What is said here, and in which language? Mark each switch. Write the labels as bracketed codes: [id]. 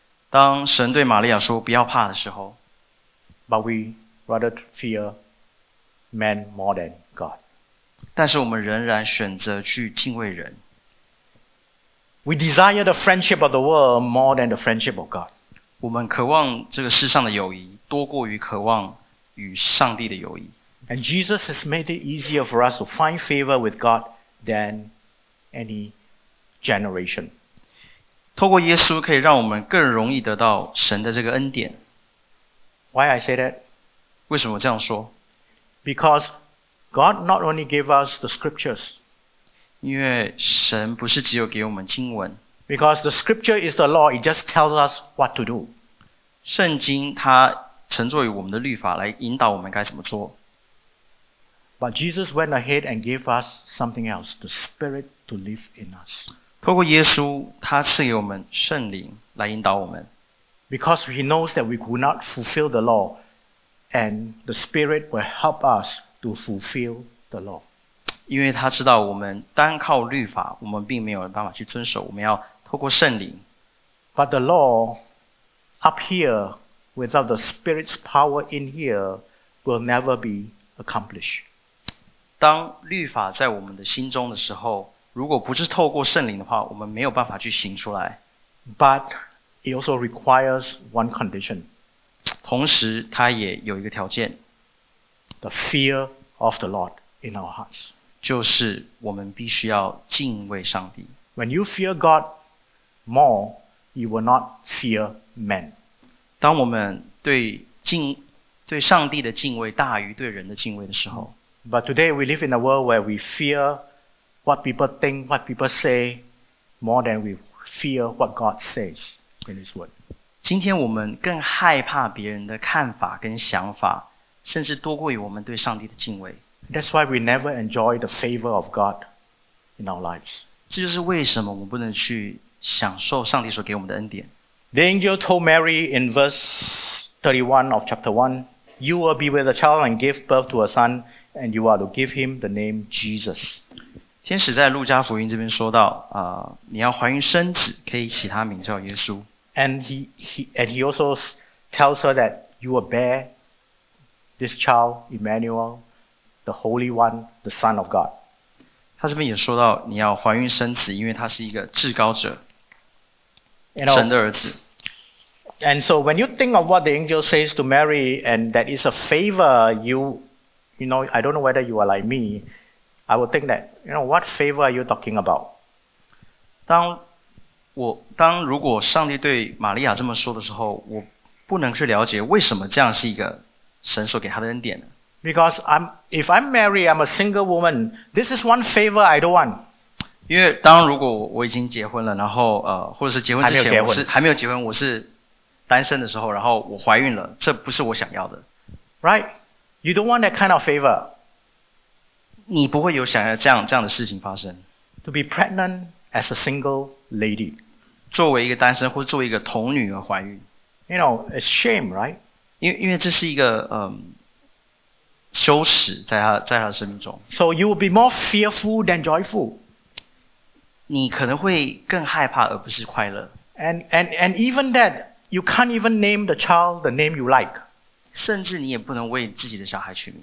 [zh] 当神对玛利亚说不要怕的时候 [en] ，But we rather fear man more than God. [zh] 但是我们仍然选择去敬畏人。 [en] We desire the friendship of the world more than the friendship of God. [zh] 我们渴望这个世上的友谊多过于渴望与上帝的友谊。 [en] And Jesus has made it easier for us to find favor with God than any generation. [zh] 透过耶稣可以让我们更容易得到神的这个恩典。 [en] Why I say that? [zh] 为什么这样说？ [en] Because God not only gave us the scriptures. [zh] 因为神不是只有给我们经文。 [en] Because the scripture is the law, it just tells us what to do. [zh] 圣经它承作于我们的律法来引导我们该怎么做。 [en] But Jesus went ahead and gave us something else, the Spirit to live in us. [zh] 透过耶稣，他赐给我们圣灵来引导我们。 [en] Because he knows that we could not fulfill the law, and the Spirit will help us to fulfill the law. [zh] 因为他知道我们单靠律法，我们并没有办法去遵守，我们要透过圣灵。 [en] But the law up here without the Spirit's power in here will never be accomplished. [zh] 当律法在我们的心中的时候，如果不是透过圣灵的话，我们没有办法去行出来。 [en] But it also requires one condition. [zh] 同时，它也有一个条件。 [en] The fear of the Lord in our hearts. [zh] 就是我们必须要敬畏上帝。 [en] When you fear God more, you will not fear man. [zh] 当我们对上帝的敬畏大于对人的敬畏的时候。 [en] But today we live in a world where we fear what people think, what people say, more than we fear what God says in His Word. [zh] 今天我们更害怕别人的看法跟想法，甚至多过于我们对上帝的敬畏。 [en] That's why we never enjoy the favor of God in our lives. [zh] 这就是为什么我们不能去享受上帝所给我们的恩典。 [en] The angel told Mary in verse 31 of chapter 1, You will be with a child and give birth to a son, and you are to give him the name Jesus. [zh] 天使在路加福音这边说到，你要怀孕生子，可以起他名叫耶稣。 [en] And he also tells her that you will bear this child, Emmanuel,The Holy One, the Son of God. [zh] 他这边也说到你要怀孕生子，因为他是一个至高者，神的儿子。 [en] And so when you think of what the angel says to Mary, and that is a favor, you know, I don't know whether you are like me, I would think that, you know, what favor are you talking about? [zh] 当如果上帝对玛利亚这么说的时候，我不能去了解为什么这样是一个神所给他的恩典呢？ [en] Because if I'm Mary, I'm a single woman. This is one favor I don't want. [zh] 因为当如果我已经结婚了，然后或者是结婚之前还没有结婚，我是单身的时候，然后我怀孕了，这不是我想要的。 [en] Right? You don't want that kind of favor. [zh] 你不会有想要这样的事情发生。 [en] To be pregnant as a single lady. [zh] 作为一个单身或作为一个童女而怀孕。 [en] You know, it's shame, right? [zh] 因为这是一个羞耻在他的生命中。 [en] So you will be more fearful than joyful. [zh] 你可能会更害怕而不是快乐。 [en] And even that, you can't even name the child the name you like. [zh] 甚至你也不能为自己的小孩取名。